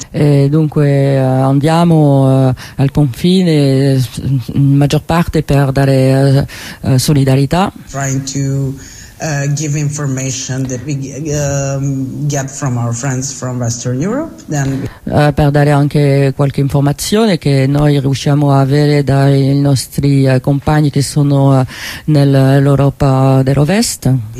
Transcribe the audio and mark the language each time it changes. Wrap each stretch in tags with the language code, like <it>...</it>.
<it>E dunque andiamo al confine in maggior parte per dare solidarietà.</it> <en>Trying to give information that we get from our friends from Western Europe. Then</en> <it>per dare anche qualche informazione che noi riusciamo a avere dai nostri compagni che sono nell'Europa dell'Ovest.</it>